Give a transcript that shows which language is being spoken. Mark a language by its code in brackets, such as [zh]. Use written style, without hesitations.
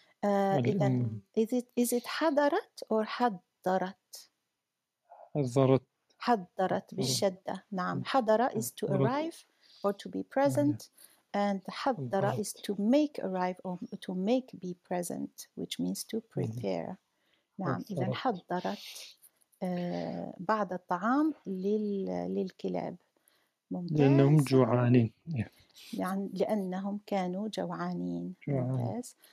[ar] إذن [en] is it [ar] حضرت أو حضرت؟ حضرت. حضرت بالشدة. نعم، [en] حضر is to arrive or to be present and حضر is to make arrive or to make be present which means to prepare. [ar] نعم، إذن حضرت بعض الطعام للكلاب. ممتاز. لأنهم جوعانين. يعني لأنهم كانوا جوعانين. ممتاز.